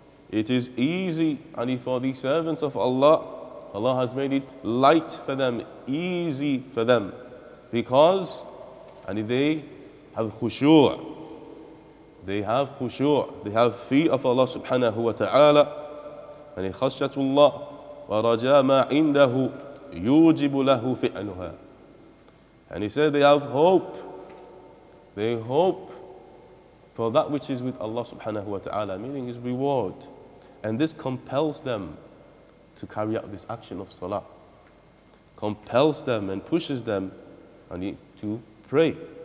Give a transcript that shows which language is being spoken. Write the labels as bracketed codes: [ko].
[en] It is easy and for the servants of Allah, Allah has made it light for them, easy for them, because they have khushu', they have fear of Allah subhanahu wa ta'ala, and khashyatullah. [ar] ورجاء ما عنده يوجب له فعلها. [en] And he said they have hope. They hope for that which is with Allah subhanahu wa ta'ala, meaning his reward. And this compels them to carry out this action of salah. Compels them and pushes them to pray.